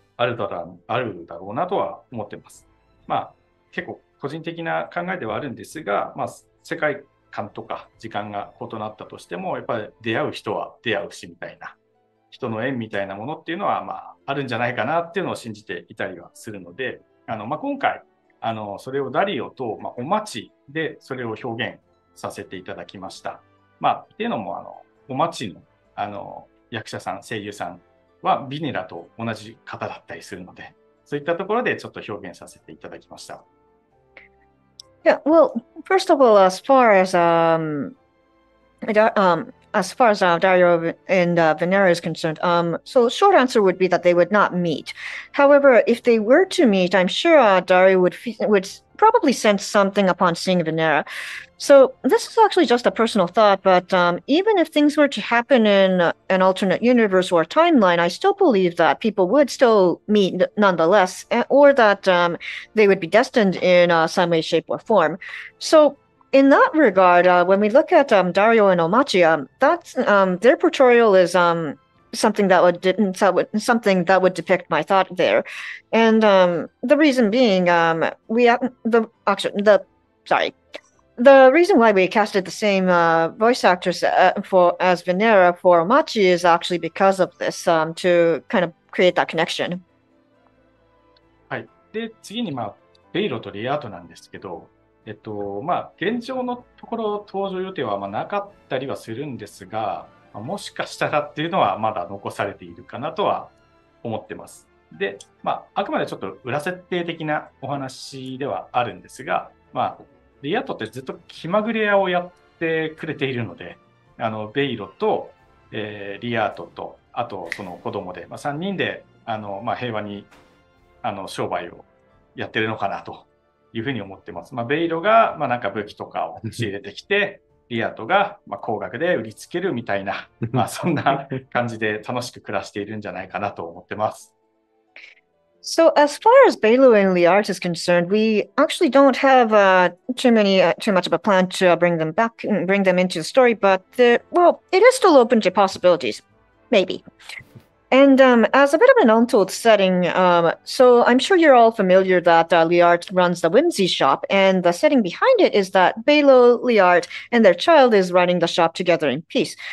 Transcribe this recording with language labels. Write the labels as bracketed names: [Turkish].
[Japanese] あるだろうなとは思ってます。まあ、結構個人的な考えではあるんですが、まあ、世界観とか時間が異なったとしても、やっぱり出会う人は出会うしみたいな、人の縁みたいなものっていうのは、まあ、あるんじゃないかなっていうのを信じていたりはするので、まあ、今回、それをダリオと、まあ、お待ちでそれを表現させていただきました。まあ、っていうのも、お待ちの、役者さん、声優さん、はビネラと同じ方だったりするので、そういったところでちょっと表現させていただきました。 [English] Yeah, well, first of all, as far as Dario and Venera is concerned, so short answer would be that they would not meet. However, if they were to meet, I'm sure Dario would probably sense something upon seeing Venera. So this is actually just a personal thought, but even if things were to happen in an alternate universe or timeline, I still believe that people would still meet nonetheless, or that they would be destined in some way, shape, or form. So... In that regard, when we look at Dario and Omachi, their portrayal is something that would depict my thought there. And the reason being, the reason why we casted the same voice actors as Venera for Omachi is actually because of this, to kind of create that connection. [Japanese] はい。で、次に、まあ、ベイロとリアートなんですけど、まあ、現状のところ登場予定はまあなかったりはするんですが、まあ、もしかしたらっていうのはまだ残されているかなとは思ってます。で、まあ、あくまでちょっと裏設定的なお話ではあるんですが、まあ、リアトってずっと気まぐれ屋をやってくれているので、ベイロと、リアートと、あとその子供で、まあ、3人で、まあ、平和に、商売をやってるのかなと。いうふうに思ってます。まあ、ベイロが、まあ、なんか武器とかを仕入れてきて、リアートが、まあ、高額で売りつけるみたいな、まあ、そんな感じで楽しく暮らしているんじゃないかなと思ってます。 [English] So as far as Belo and Liart is concerned, we actually don't have too much of a plan to bring them into the story, but it is still open to possibilities, maybe. And as a bit of an untold setting, so I'm sure you're all familiar that Liart runs the Whimsy Shop, and the setting behind it is that Belo, Liart, and their child is running the shop together in peace.